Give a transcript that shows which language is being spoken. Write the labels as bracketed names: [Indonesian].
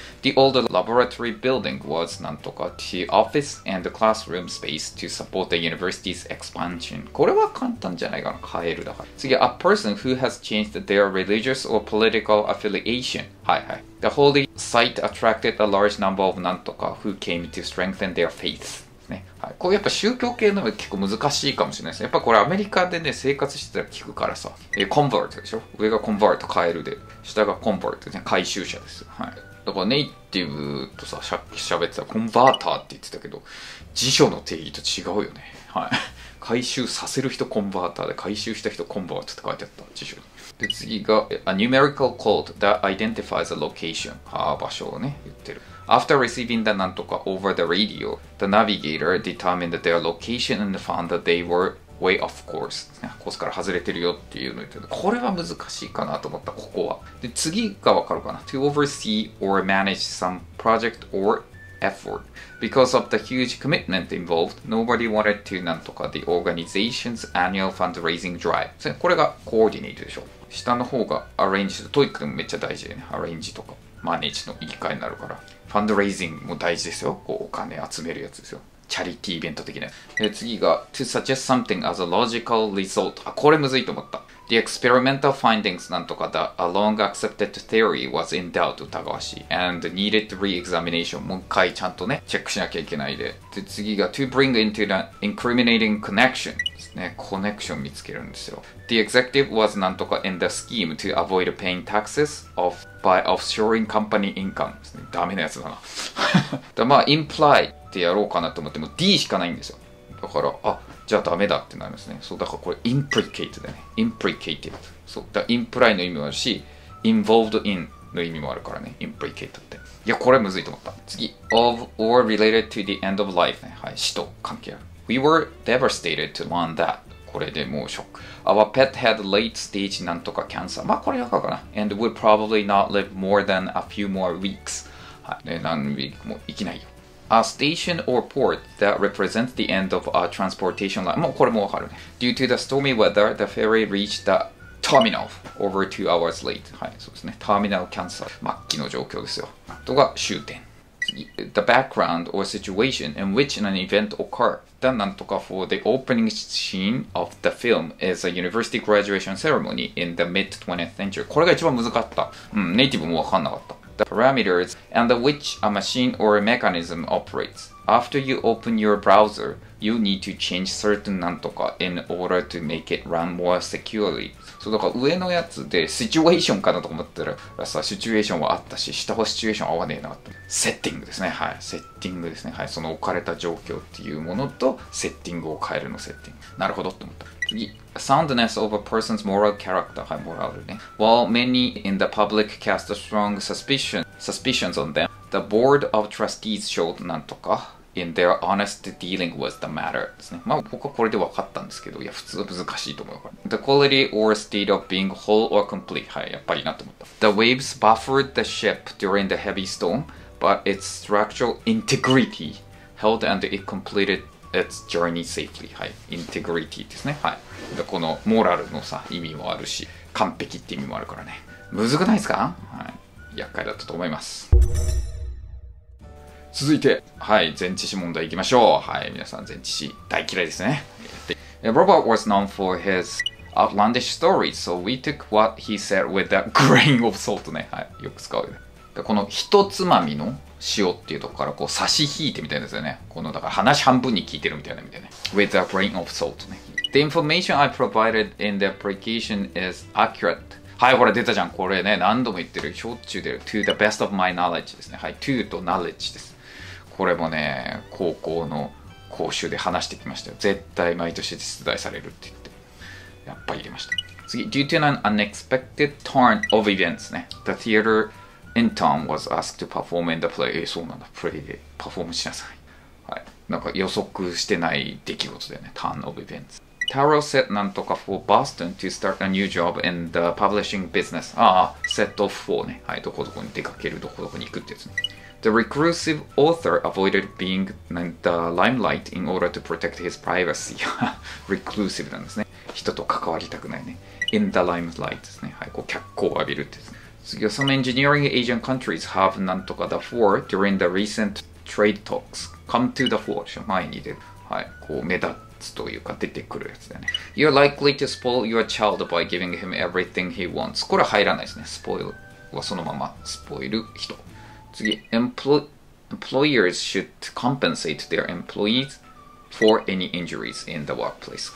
[English] The old laboratory building was なんとか the office and the classroom space to support the university's expansion. [Japanese] これは簡単じゃないかな、変えるだから。 [English] 次、a person who has changed their religious or political affiliation. [Japanese] はいはい。 [English] The holy site attracted a large number of なんとか who came to strengthen their faith. [Japanese] ね、はい、こうやっぱ宗教系のも結構難しいかもしれないですね。やっぱこれアメリカでね生活してたら聞くからさ、コンバートでしょ。上がコンバート、カエルで、下がコンバートね、回収者です。はい。だからネイティブとさ、喋ってたコンバーターって言ってたけど、辞書の定義と違うよね。はい。回収させる人コンバーターで、回収した人コンバートって書いてあった辞書に。 [English] で、次が a numerical code that identifies a location。 [Japanese] ああ、場所をね言ってる。 [English] After receiving the なんとか over the radio, the navigator determined their location and found that they were way off course. [Japanese] コースから外れてるよっていうのを言ってる。これは難しいかなと思った、ここは。で、次がわかるかな。 [English] To oversee or manage some project or effort. Because of the huge commitment involved, nobody wanted to なんとか the organization's annual fundraising drive. [Japanese] これがコーディネートでしょ。下の方がアレンジ、トイックでもめっちゃ大事だよね。アレンジとか。マネージの言い換えになるから。ファンドレイジングも大事ですよ。こうお金集めるやつですよ。チャリティーイベント的なやつ。 [English] 次が、to suggest something as a logical result。 [Japanese] あ、これむずいと思った。 [English] The experimental findings なんとかだ。A long accepted theory was in doubt 疑わしい。 And needed re-examination。 [Japanese] もう一回ちゃんとね、チェックしなきゃいけないで。 [English] で、次が、to bring into the incriminating connection。 [Japanese] ね、コネクション見つけるんですよ。 [English] The executive was なんとか in the scheme to avoid paying taxes of by offshoring company income、ね。 [Japanese] ダメなやつだな。だまあ、imply ってやろうかなと思っても D しかないんですよ。だから、あ、じゃあダメだってなりますね。そう、だからこれ implicate だね。implicated。 そう、だから imply の意味もあるし、involved in の意味もあるからね。implicate って。いや、これむずいと思った。 [English] 次。of or related to the end of life、ね。 [Japanese] はい、死と関係ある。 [English] We were devastated to learn that. [Japanese] これでもうショック。 [English] Our pet had late stage なんとかキャンサー。 [Japanese] まあこれやかかな。 [English] And would probably not live more than a few more weeks. [Japanese] はい。で、何ウィークも生きないよ。 [English] A station or port that represents the end of our transportation line. [Japanese] もうこれもわかるね。 [English] Due to the stormy weather, the ferry reached the terminal over 2 hours late. [Japanese] はい、そうですね。ターミナルキャンサー。末期の状況ですよ。あとが終点。 [English] The background or situation in which an event occurred. The なんとか for the opening scene of the film is a university graduation ceremony in the mid-20th century. [Japanese] これが一番難かった。うん、ネイティブもわかんなかった。 [English] The parameters under which a machine or a mechanism operates. After you open your browser, you need to change certain なんとか in order to make it run more securely. [Japanese] そう、だから上のやつで、シチュエーションかなと思ったらさ、シチュエーションはあったし、下はシチュエーション合わねえなって。セッティングですね。はい。セッティングですね。はい。その置かれた状況っていうものと、セッティングを変えるのセッティング。なるほどって思った。 [English] 次。Soundness of a person's moral character. [Japanese] はい、モラルね。 [English] While many in the public cast strong suspicions on them, the board of trustees showed なんとか in their honest dealing with the matter [Japanese] ですね。まあ僕はこれで分かったんですけど、いや普通は難しいと思うから。 [English] The quality or state of being whole or complete。 [Japanese] はい、やっぱりなと思った。 [English] The waves buffered the ship during the heavy storm, but its structural integrity held and it completed its journey safely。 [Japanese] はい、integrity ですね。はい。でこのモラルのさ意味もあるし、完璧って意味もあるからね。難くないですか？はい。厄介だったと思います。続いて、はい、前置詞問題いきましょう。はい、皆さん前置詞大嫌いですね。 [English] Robert was known for his outlandish stories, so we took what he said with a grain of salt ね。 [Japanese] はい、よく使う。でこのひとつまみの塩っていうところからこう差し引いてみたいですよね。このだから話半分に聞いてるみたいなみたいな。 [English] With a grain of salt ね。 The information I provided in the application is accurate. [Japanese] はい、これ出たじゃん。これね、何度も言ってる。しょっちゅう出る。 [English] To the best of my knowledge ですね。 [Japanese] はい、to と knowledge です。これもね、高校の講習で話してきましたよ。絶対毎年出題されるって言って。やっぱり入れました。 [English] 次、Due to an unexpected turn of events ね。 The theater intern was asked to perform in the play. [Japanese] そうなんだ。プレイでパフォームしなさい。はい。なんか予測してない出来事だよね。 [English] Turn of events。 Taro set なんとか for Boston to start a new job in the publishing business. ああ、set off for ね。 [Japanese] はい、どこどこに出かける、どこどこに行くってやつね。 [English] The reclusive author avoided being in the limelight in order to protect his privacy. [Japanese] reclusive なんですね。人と関わりたくないね。 [English] In the limelight [Japanese] ですね。はい、こう脚光を浴びるってやつ。 [English] 次は、Some engineering Asian countries have なんとか the fore during the recent trade talks. Come to the fore. [Japanese] 前に出る。はい、こう目立って。というか出てくるやつだね。 [English] You're likely to spoil your child by giving him everything he wants. [Japanese] これは入らないですね。 Spoil はそのまま。Spoil 人。 [English] 次、Employers should compensate their employees for any injuries in the workplace.